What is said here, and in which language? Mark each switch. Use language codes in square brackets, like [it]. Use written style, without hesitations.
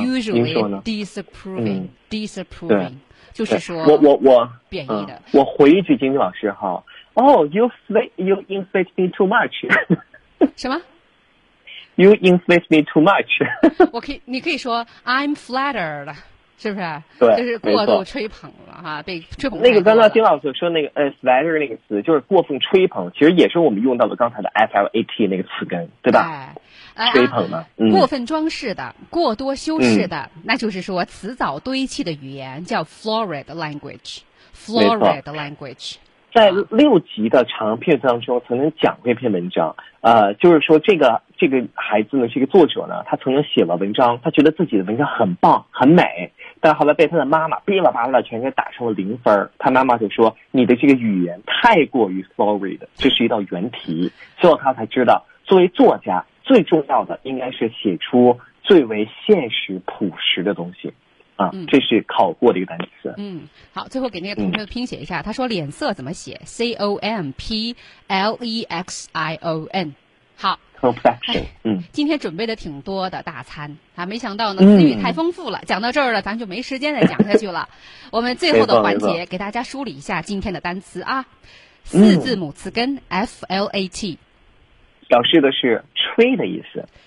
[en] ？Usually disapproving，就是说 [zh] 我贬义的。我回一句金晶老师哈， you inflate me too much。什么 [en] ？You inflate me too much。 [zh] 我可以，你可以说 I'm flattered，是不是？对，就是过度吹捧了哈，被吹捧。那个刚刚金老师说那个flattered 那个词，就是过分吹捧，其实也是我们用到的刚才的 flat 那个词根，对吧？吹捧的、过分装饰的、过多修饰的，那就是说词藻堆砌的语言叫 florid language。 [en] florid language。 [zh] 在六级的长篇当中，曾经讲过一篇文章，就是说这个孩子呢，这个作者呢，他曾经写了文章，他觉得自己的文章很棒、很美，但后来被他的妈妈哔哩吧啦全给打成了零分。他妈妈就说：“你的这个语言太过于 florid， 这是一道原题。” 最后他才知道，作为作家，最重要的应该是写出最为现实朴实的东西。啊，这是考过的一个单词。好，最后给那个同学拼写一下，他说脸色怎么写 ？C O M P L E X I O N。好 [en] ，complexion。 [zh] 今天准备的挺多的大餐啊，没想到呢，词语太丰富了。讲到这儿了，咱就没时间再讲下去了。我们最后的环节给大家梳理一下今天的单词啊，四字母词根 F L A T，表示的是吹的意思。